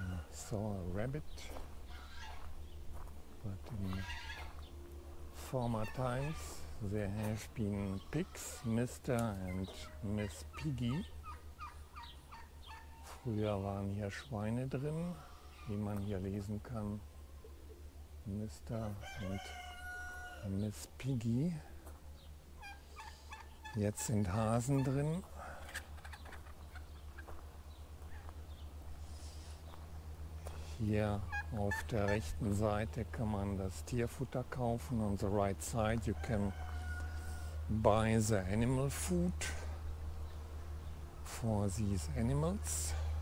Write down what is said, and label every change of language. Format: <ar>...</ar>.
<en>Saw a rabbit, but in former times there have been pigs, Mr. and Miss Piggy.</en> <de>Früher waren hier Schweine drin, wie man hier lesen kann. Mr.</de> <en>and Miss Piggy.</en> <de>Jetzt sind Hasen drin. Hier auf der rechten Seite kann man das Tierfutter kaufen.</de> <en>On the right side you can buy the animal food for these animals.</en>